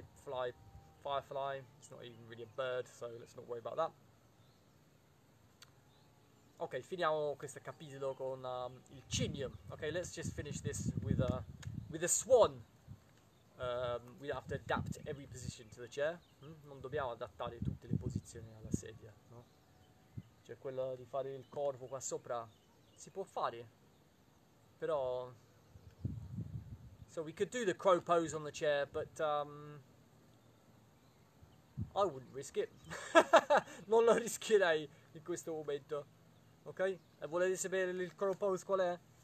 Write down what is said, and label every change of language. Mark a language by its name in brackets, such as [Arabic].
[English] It's not even really a bird, so let's not worry about that. [Italian] Ok, finiamo questo capitolo con il cimio. [English] Ok, let's just finish this with a swan. We have to adapt every position to the chair. [Italian] Non dobbiamo adattare tutte le posizioni alla sedia, no? Cioè quello di fare il corvo qua sopra si può fare. [English] Però so we could do the crow pose on the chair, but I wouldn't risk it. [Italian] Non lo rischierei in questo momento. Ok? E volete sapere il crow pose qual è?